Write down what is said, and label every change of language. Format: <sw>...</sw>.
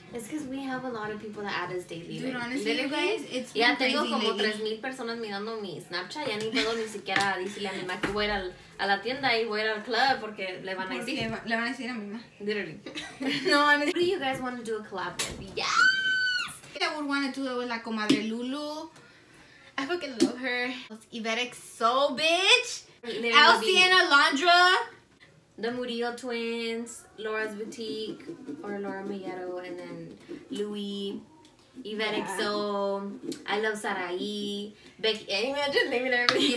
<en>It's because we have a lot of people that add us daily. Dude, like, honestly, you guys, it's yeah, been crazy.</en> <es>Yeah, tengo como 3,000 personas mirando mi Snapchat. Ya ni puedo ni siquiera decirle a mi ma que voy a la tienda y voy a ir al club porque le van a decir. Le van a decir a mi ma.</es> <en>Literally. No, honestly. Who do you guys want to do a collab with? Yes! I would want to do it with la comadre Lulu. I fucking love her. Iberic Soul, bitch. Literally. Elsie and Alondra. The Murillo twins, Laura's Boutique, or Laura Mayero, and then Louis, Yvette XO, I love Sarai, Becky, imagine naming everybody.</en>